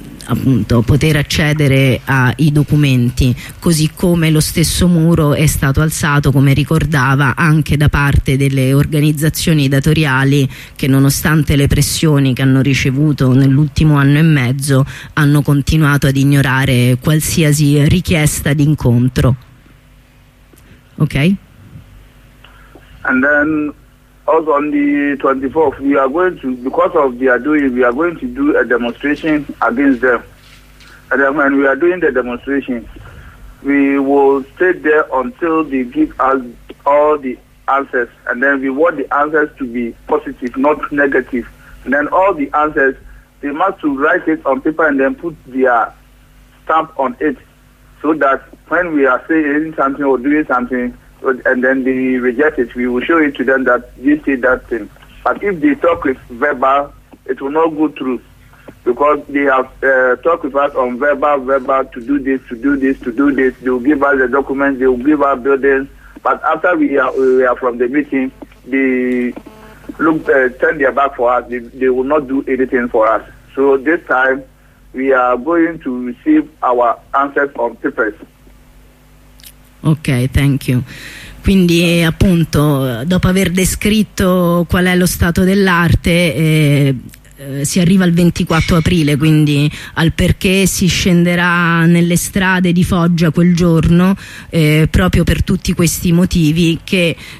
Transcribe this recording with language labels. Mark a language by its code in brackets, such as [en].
[it] appunto poter accedere ai documenti, così come lo stesso muro è stato alzato, come ricordava, anche da parte delle organizzazioni datoriali che, nonostante le pressioni che hanno ricevuto nell'ultimo anno e mezzo, hanno continuato ad ignorare qualsiasi richiesta di incontro. Ok? [en] And then also on the 24th we are going to, because of their doing, we are going to do a demonstration against them. And then when we are doing the demonstration, we will stay there until they give us all the answers, and then we want the answers to be positive, not negative. And then all the answers, they must write it on paper and then put their stamp on it, so that when we are saying something or doing something and then they reject it, we will show it to them that you say that thing. But if they talk with verbal, it will not go through, because they have talked with us on verbal, to do this, to do this, to do this. They will give us the documents, they will give us buildings. But after we are from the meeting, turn their back for us. They will not do anything for us. So this time, we are going to receive our answers on papers. Ok, thank you. [it] Quindi appunto, dopo aver descritto qual è lo stato dell'arte, si arriva al 24 aprile, quindi al perché si scenderà nelle strade di Foggia quel giorno, proprio per tutti questi motivi che